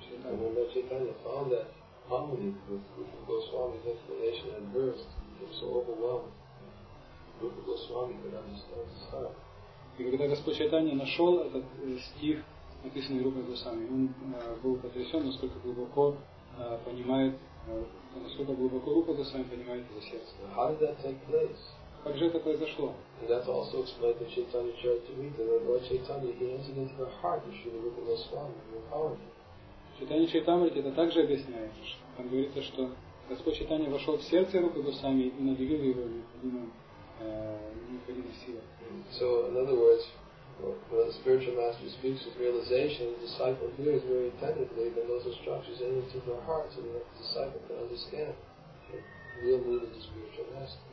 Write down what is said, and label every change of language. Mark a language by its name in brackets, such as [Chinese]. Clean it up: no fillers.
[Russian] Чайтанья. И когда Господь Чайтанья нашел этот стих, написанный Рупой Госвами, он был потрясен, насколько глубоко Рупа Госвами понимает это сердце. [English] How did that take place? [Russian] Как же это произошло? [English] And that also explained that Chaitanya Charitamrita, that Lord Chaitanya, he entered into the heart of Śrīla Rūpa Gosvāmī, who empowered him. [Russian] Chaitanya Charitamrita это также объясняет, что там говорится, что Господь Чайтанья вошел в сердце Рупы Госвами и наделил его необходимой силой. [English] So, in other words, when the spiritual master speaks of realization, the disciple hears very attentively, then those instructions enter into their heart so that the disciple can understand the real mood of the spiritual master.